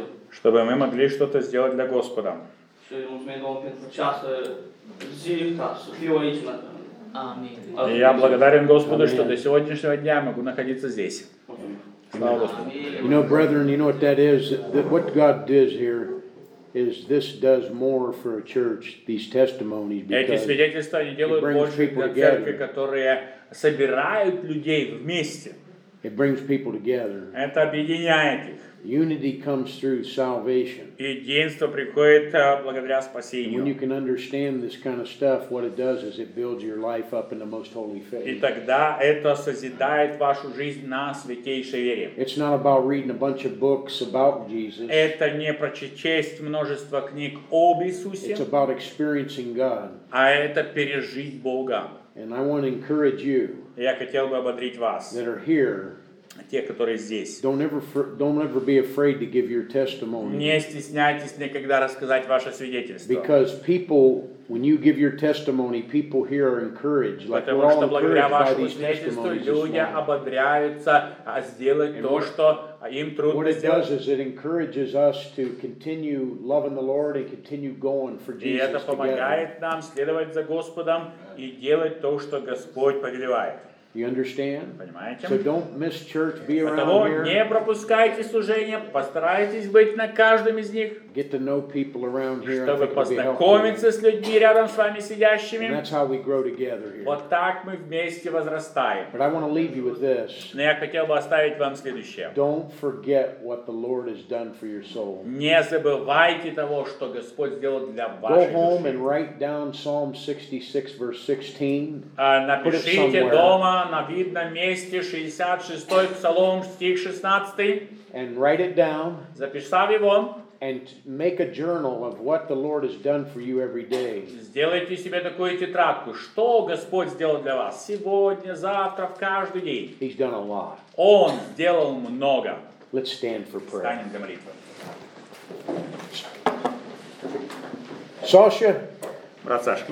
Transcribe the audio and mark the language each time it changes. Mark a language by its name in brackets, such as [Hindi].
[Russian] Чтобы мы могли что-то сделать для Господа. И я благодарен Господу, что до сегодняшнего дня я могу находиться здесь. [English] You know, brethren, you know what that is? What God does here is this does more for a church, these testimonies, because it brings people together. [Russian] Собирают людей вместе. [English] It brings people together. [Russian] Это объединяет их. [English] Unity comes through salvation. [Russian] Единство приходит благодаря спасению. [English] When you can understand this kind of stuff, what it does is it builds your life up in the most holy faith. [Russian] И тогда это созидает вашу жизнь на святейшей вере. [English] It's not about reading a bunch of books about Jesus. [Russian] Это не про прочесть множество книг об Иисусе. [English] It's about experiencing God. [Russian] А это пережить Бога. [English] And I want to encourage you. [Russian] Я хотел бы ободрить вас. [English] That are here. [Russian] Те, которые здесь. [English] Don't ever be afraid to give your testimony. [Russian] Не стесняйтесь никогда рассказать ваше свидетельство. [English] Because people, when you give your testimony, people here are encouraged. Like [Russian] потому что благодаря вашему свидетельству люди ободряются сделать то, что им трудно сделать. [English] What it does is it encourages us to continue loving the Lord and continue going for Jesus. [Russian] И это помогает нам следовать за Господом и делать то, что Господь повелевает. [English] You understand? [Russian] Понимаете? [English] So don't miss church. Be around [Russian] потому [English] here. [Russian] Не пропускайте служения. Постарайтесь быть на каждом из них. [English] Get to know people around here. [Russian] Чтобы познакомиться с людьми рядом с вами сидящими. [English] And that's how we grow together here. [Russian] Вот так мы вместе возрастаем. [English] But I want to leave you with this. [Russian] Но я хотел бы оставить вам следующее. [English] Don't forget what the Lord has done for your soul. [Russian] Не забывайте того, что Господь сделал для вашей души. [English] Go home and write down Psalm 66 verse 16. [Russian] Напишите дома на видном месте 66-й псалом стих 16. [English] And write it down. [Russian] Записав его. [English] And make a journal of what the Lord has done for you every day. [Russian] Сделайте себе такую тетрадку, что Господь сделал для вас сегодня, завтра, в каждый день. [English] He's done a lot. [Russian] Он сделал много. [English] Let's stand for prayer. [Russian] Встанем для молитвы. Саша, брат Сашка,